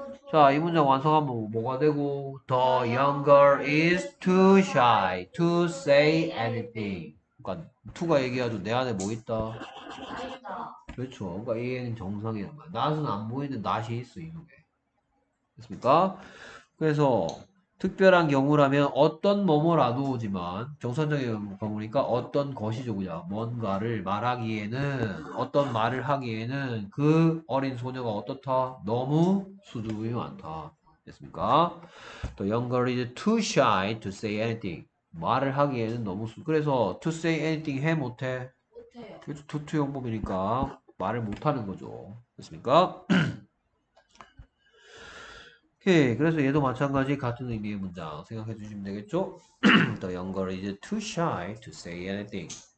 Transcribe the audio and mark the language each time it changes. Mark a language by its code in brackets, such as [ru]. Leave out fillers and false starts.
[ko] 자, 이 문장 완성하면 뭐가 되고? [en] The younger is too shy to say anything. [ko] 그러니까 to가 얘기해도 내 안에 뭐 있다? 그렇죠. 그러니까 얘는 정상이란 말이야. not은 안 보이는데 not이 있어, 이 놈에. 됐습니까? 그래서 특별한 경우라면 어떤 뭐뭐라도지만 정상적인 경우니까 어떤 것이죠, 그냥 뭔가를 말하기에는 어떤 말을 하기에는 그 어린 소녀가 어떻다? 너무 수줍음이 많다. 됐습니까? [en] The younger is too shy to say anything. [ko] 말을 하기에는 너무 그래서 [en] to say anything [ko] 해 못해? 그래서 to 형법이니까 말을 못하는 거죠. 됐습니까? 오케이, 그래서 얘도 마찬가지 같은 의미의 문장 생각해 주시면 되겠죠? [en] The younger is too shy to say anything.